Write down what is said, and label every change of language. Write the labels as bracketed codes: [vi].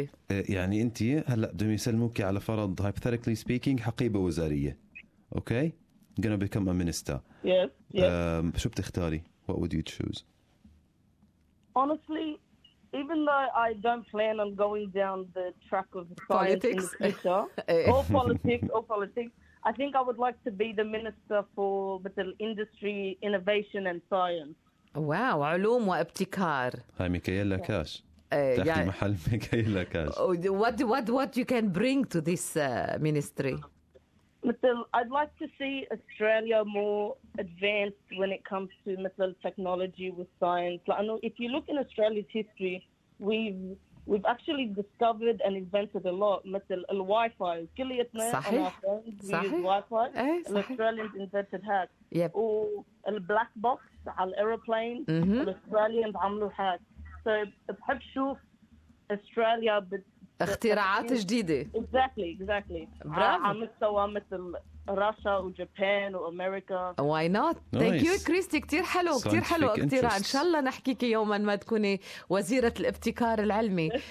[ar] يعني أنت هلا بدهم يسلموك على فرض [en] hypothetically speaking [ar] حقيبة وزارية. [en] Okay, gonna become a minister. Yes. [ar] شو بتختاري؟ [en] What would you choose? Honestly, even though I don't plan on going down the track of politics, in the future, all politics, I think I would like to be the minister for the industry, innovation and science. [ar] Wow, علوم وابتكار. هاي ميكايلا كاش. تحكي محل ميكايلا كاش. [en] What you can bring to this ministry? I'd like to see Australia more advanced when it comes to technology with science. Like, I know if you look in Australia's history, we've actually discovered and invented a lot. [ar] مثل الWi-Fi. كلية نا [en] and our friends use Wi-Fi. The Australians invented hacks. Yep. Or black box [ar] على [en] aeroplane. Mm-hmm. Australians [ar] عملوا [en] hacks. So [ar] بحب شوف Australia اختراعات جديدة. [en] Exactly. [ar] برافو. عم تسوى مثل روسيا وجابان وامريكا. [en] Why not? Nice. Thank you, Christy. [ar] كتير حلو. [en] Scientific [ar] كتير حلو اختراع. ان شاء الله نحكيكي يوما ما تكوني وزيرة الابتكار العلمي.